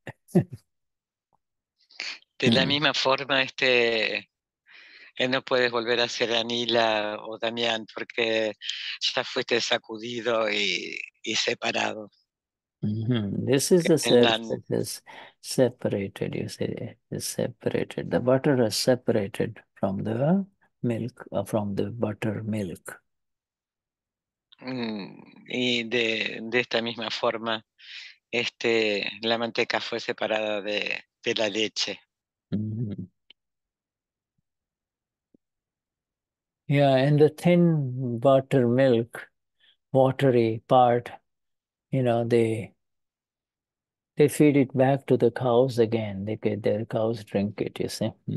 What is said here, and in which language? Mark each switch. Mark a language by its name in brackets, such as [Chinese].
[Spanish] De la misma forma, este, no puedes volver a ser Anila o Damián porque ya fuiste sacudido y separado. [English] This is the self that is separated, you say, is separated. The butter is separated from the milk, or from the buttermilk. [Spanish] Y de esta misma forma, este, la manteca fue separada de la leche. [English] Yeah, and the thin buttermilk, watery part, you know, they feed it back to the cows again. They get their cows drink it, you see.